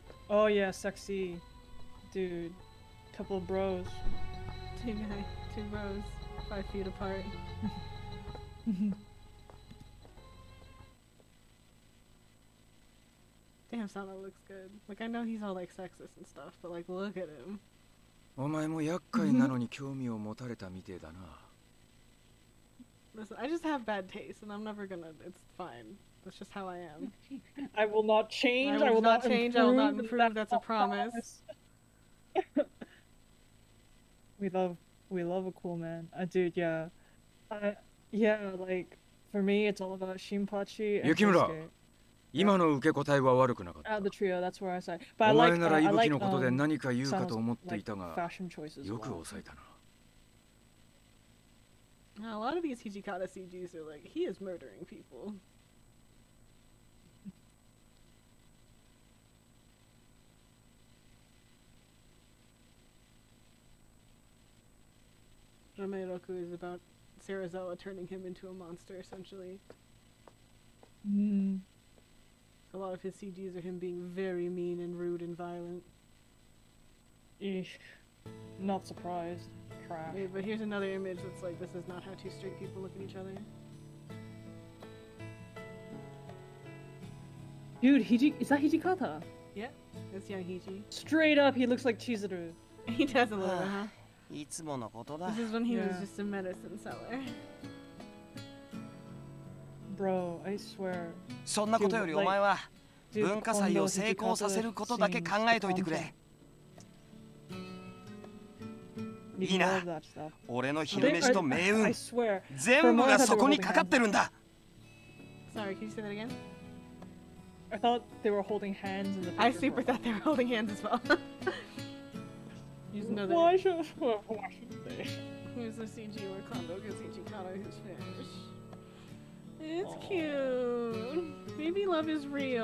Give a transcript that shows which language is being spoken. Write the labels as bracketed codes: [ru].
[en] Oh yeah, sexy dude. Couple of bros. Two bros, 5 feet apart. Damn, Sana looks good. Like, I know he's all like sexist and stuff, but like, look at him. [ja] お前も厄介なのに興味を持たれたみてえだな。 [en] Listen, I just have bad taste, and I'm never gonna... It's fine. That's just how I am. I will not change. I will not change. I will not improve. That's a promise. We love a cool man. Dude, yeah. Yeah, like, for me, it's all about Shinpachi and Yukimura! [ja] 今の受け答えは悪くなかった。 [en] The trio, that's where I said. [ja] But お前なら伊吹のことで何か言うかと思っていたが、よく抑えたな。 [en] A lot of these Hijikata CGs are like, he is murdering people. Rameroku is about Sarazawa turning him into a monster, essentially. A lot of his CGs are him being very mean and rude and violent. Eesh. Not surprised. Crap. Wait, but here's another image that's like, this is not how two straight people look at each other. Dude, is that Hijikata? Yeah, that's young Hiji. Straight up, he looks like Chizuru. He does a little, huh? This is when he was just a medicine seller. Bro, I swear. [ja] そんなことよりお前は文化祭を成功させることだけ考えといてくれ。いいな。俺の昼飯と命運、全部がそこにかかってるんだ。 [en] Sorry, can you say that again? I thought they were holding hands in the. I super thought they were holding hands as well. Use another. Why should they? Use the CG or Kondo because CG Kondo is finished. It's cute. Maybe love is real.